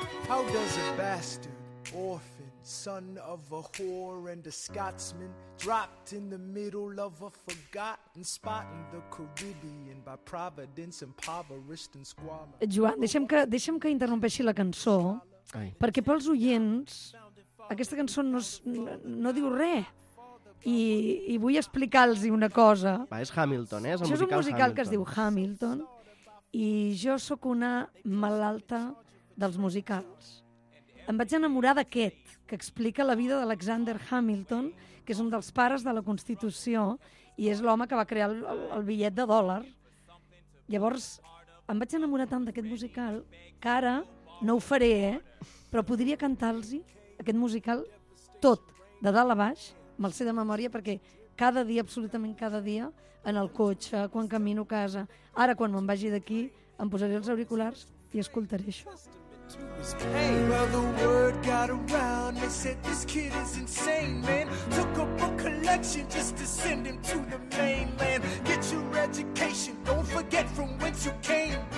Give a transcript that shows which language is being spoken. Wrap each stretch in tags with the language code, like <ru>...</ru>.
<en>How does a bastard orphan son of a whore and a Scotsman dropped in the middle of a forgotten spot in the Caribbean by providence impoverished and squalor.</en> <ca>Joan, deixem que interrompeixi la cançó. Ai. Perquè pels oients aquesta cançó no diu res. I vull explicar-los una cosa. Va, és Hamilton, és el musical. És un musical Hamilton. Que es diu Hamilton i jo sóc una malalta dels musicals. Em vaig enamorar d'aquest, que explica la vida d'Alexander Hamilton, que és un dels pares de la Constitució i és l'home que va crear el bitllet de dòlar. Llavors, em vaig enamorar tant d'aquest musical que ara no ho faré, eh? Però podria cantar-los aquest musical tot, de dalt a baix, me'l sé de memòria, perquè cada dia, absolutament cada dia, en el cotxe, quan camino a casa, ara quan me'n vagi d'aquí, em posaré els auriculars i escoltaré això.</ca> <en>Hey, well, the word got around. They said this kid is insane, man. Took up a collection just to send him to the mainland. Get your education, don't forget from whence you came.</en>